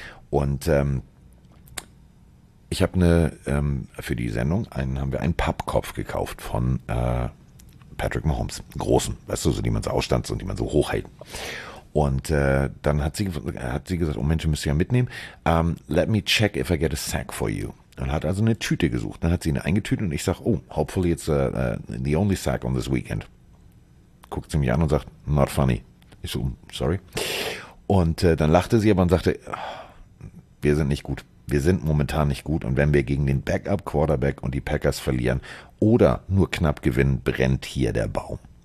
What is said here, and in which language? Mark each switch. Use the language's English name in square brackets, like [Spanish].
[German] Und ich habe für die Sendung haben wir einen Pappkopf gekauft von Patrick Mahomes, großen, weißt du, so die man so ausstanzt und die man so hochhält. Und dann hat sie gesagt, oh Mensch, müsst ihr ja mitnehmen. [English] Let me check if I get a sack for you. [German] Und hat also eine Tüte gesucht. Dann hat sie eine eingetütet und ich sage, oh, [English] hopefully it's the only sack on this weekend. [German] Guckt sie mich an und sagt, [English] not funny. [German] Ich so, sorry. Und dann lachte sie aber und sagte, wir sind nicht gut. Wir sind momentan nicht gut. Und wenn wir gegen den Backup-Quarterback und die Packers verlieren oder nur knapp gewinnen, brennt hier der Baum.